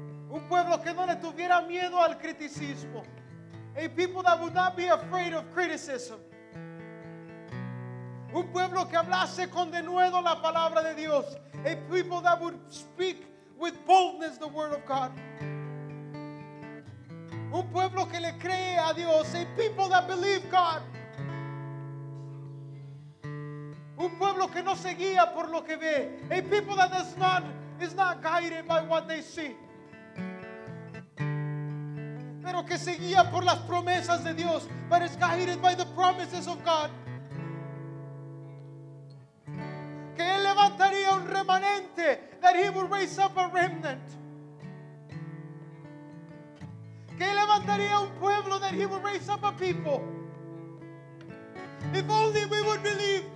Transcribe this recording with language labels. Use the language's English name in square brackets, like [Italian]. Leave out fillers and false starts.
[Spanish] Un pueblo que no le tuviera miedo al criticismo. [English] A people that would not be afraid of criticism. [Spanish] Un pueblo que hablase con denuedo la palabra de Dios. [English] A people that would speak with boldness the word of God. [Spanish] Un pueblo que le cree a Dios. [English] A people that believe God. [Spanish] Un pueblo que no se guía por lo que ve. [English] A people that is not guided by what they see. [Spanish] Pero que se guía por las promesas de Dios. [English] But is guided by the promises of God. [Spanish] Que él levantaría un remanente. [English] That he would raise up a remnant. [Spanish] Que él levantaría un pueblo. [English] That he would raise up a people. If only we would believe.